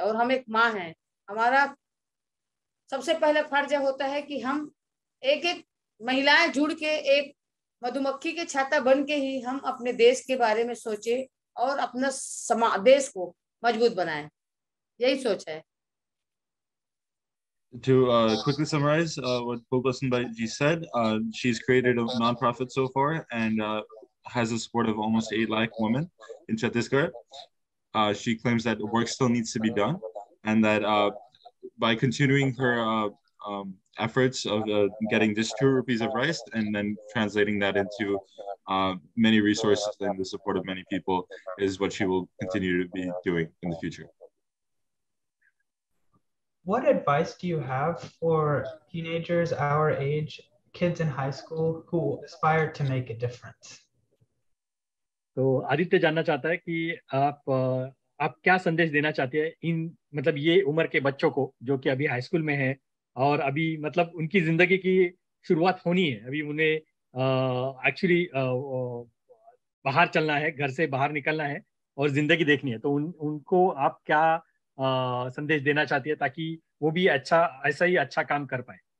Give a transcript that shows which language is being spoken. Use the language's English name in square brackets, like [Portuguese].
[Hindi] और हम एक माँ हैं, हमारा सबसे पहला फर्ज होता है कि हम एक एक महिलाएं जुड़ के एक मधुमक्खी के छाता बन के ही हम अपने देश के बारे में सोचे और अपना समाज देश को मजबूत बनाए, यही सोच है। [English] To quickly summarize what Phulbasan Bhaiji said, she's created a nonprofit so far and has the support of almost 8 lakh women in Chhattisgarh. She claims that work still needs to be done, and that by continuing her efforts of getting just 2 rupees of rice and then translating that into many resources and the support of many people is what she will continue to be doing in the future. What advice do you have for teenagers our age, kids in high school who aspire to make a difference? [Hindi] So Aditya जानना चाहता है कि आप क्या संदेश देना चाहते हैं इन, मतलब ये उम्र के बच्चों को जो कि अभी हाई स्कूल में हैं और अभी मतलब उनकी जिंदगी की शुरुआत होनी है, अभी उन्हें एक्चुअली बाहर चलना है, घर से बाहर निकलना है और जिंदगी देखनी है, तो उनको आप क्या संदेश देना चाहती है ताकि वो भी अच्छा, ऐसा ही अच्छा काम कर पाए?